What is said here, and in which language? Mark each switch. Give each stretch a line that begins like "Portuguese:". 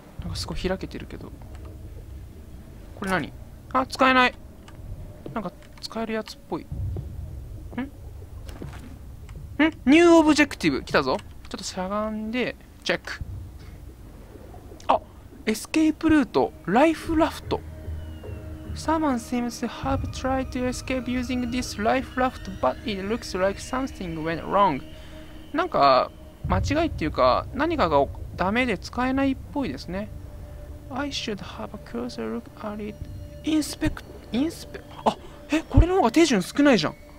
Japanese: なんかすごい開けてるけど、これ何。あ、使えない。なんか使えるやつっぽい。ん、ニューオブジェクティブ来たぞ。ちょっとしゃがんでチェック。あ、エスケープルート、ライフラフト。
English: Someone seems to have tried to escape using this life raft, but it looks like something went wrong.
Japanese: なんか間違いっていうか、何かがダメで使えないっぽいですね。
English: I should have a closer look at it. Inspect, inspect.
Japanese: あ、え、これの方が手順少ないじゃん。